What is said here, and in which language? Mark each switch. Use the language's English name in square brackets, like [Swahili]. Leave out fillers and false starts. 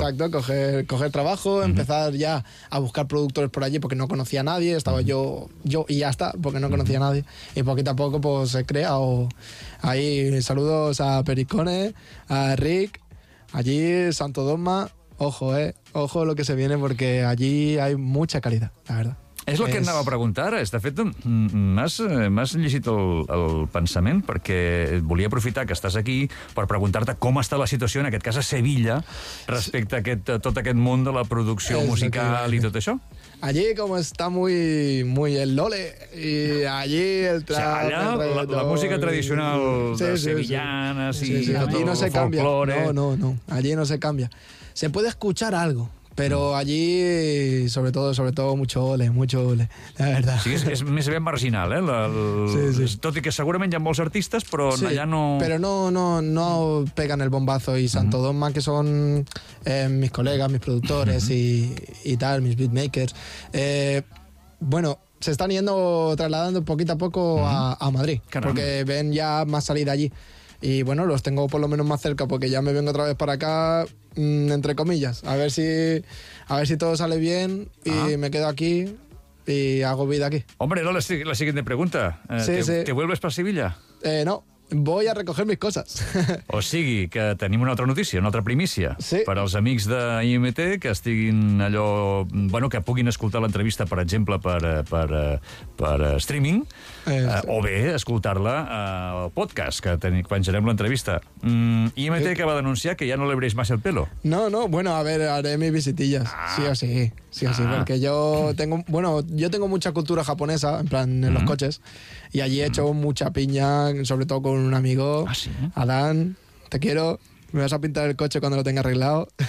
[Spanish] Exacto, coger trabajo, empezar ya a buscar productores por allí porque no conocía a nadie, estaba yo y ya está, porque no conocía a nadie. Y poquito a poco pues se crea o... Ahí, saludos a Pericone, a Rick, allí Santo Dogma. Ojo lo que se viene porque allí hay mucha calidad, la verdad. [Catalan] És el que anava a preguntar. De fet, m'has llegit el pensament perquè volia aprofitar que estàs aquí per preguntar-te com està la situació, en aquest cas a Sevilla, respecte a tot aquest món de la producció musical i tot això. [Spanish] Allí como está muy el lole y allí el trap, o sea, allá la música tradicional sevillana y allí no se cambia. No, allí no se cambia. Se puede escuchar algo, pero allí sobre todo mucho ole, la verdad. [Catalan] Sí, es més bé marginal, tot i que segurament hi ha molts artistes, però [Spanish] sí, allà no... Pero no pegan el bombazo y Santo Dogma, que son mis colegas, mis productores y tal, mis beatmakers, bueno, se están yendo trasladando poquito a poco a Madrid. Caramba. Porque ven ya más salida allí. Y bueno, los tengo por lo menos más cerca porque ya me vengo otra vez para acá, entre comillas, a ver si todo sale bien y me quedo aquí y hago vida aquí. Hombre, no, la siguiente pregunta. ¿Te vuelves para Sevilla? No, voy a recoger mis cosas. [Catalan] O sigui, que tenim una altra notícia, una altra primícia. Sí. Per als amics de IMT que estiguin allò... Bueno, que puguin escoltar l'entrevista, per exemple, per streaming, o bé escoltar-la al podcast, que penjarem l'entrevista. IMT acaba d'anunciar que ja no l'hebreix massa el pelo. [Spanish] No, bueno, a ver, haré mis visitillas. Sí o sí, porque yo tengo mucha cultura japonesa, en plan, en los coches, y allí he hecho mucha piña, sobre todo con un amigo, Adán, te quiero, me vas a pintar el coche cuando lo tenga arreglado.